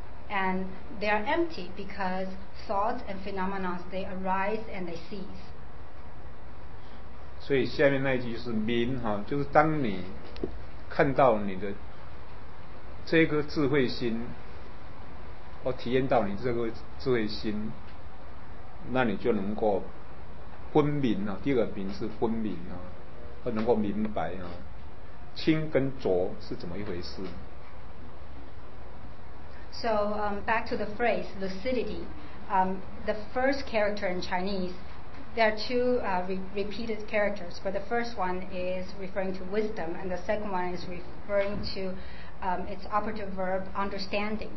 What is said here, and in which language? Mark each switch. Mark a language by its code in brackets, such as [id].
[en] And they are empty because thoughts and phenomena they arise and they cease. [zh] 所以下面那一句就是明哈，就是当你看到你的这个智慧心，或体验到你这个智慧心，那你就能够分明啊。第二个明是分明啊，或能够明白啊，清跟浊是怎么一回事。 [en] So back to the phrase lucidity, the first character in Chinese, there are two repeated characters, but the first one is referring to wisdom and the second one is referring to its operative verb understanding.